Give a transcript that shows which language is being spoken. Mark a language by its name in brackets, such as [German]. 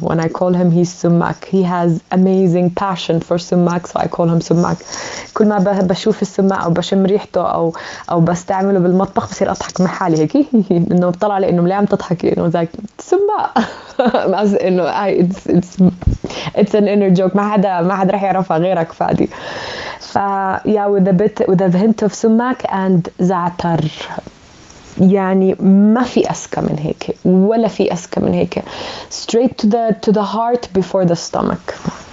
[English] When I call him, he's Sumak. He has amazing passion for Sumak, so I call him Sumak. [Arabic] كل ما بشوف السمك أو بشم ريحته أو بستعمله بالمطبخ بصير أضحك مع حالي هيك إنه بطلع لي إنه ليه عم تضحكي إنه زي سمك بس إنه [English] it's an inner joke. [Arabic] ما حدا رح يعرفها غيرك فادي. [English] فا yeah with a bit with a hint of Sumak and زعتر. [Arabic] يعني ما في أسكى من هيك ولا في أسكى من هيك [English] straight to the heart before the stomach.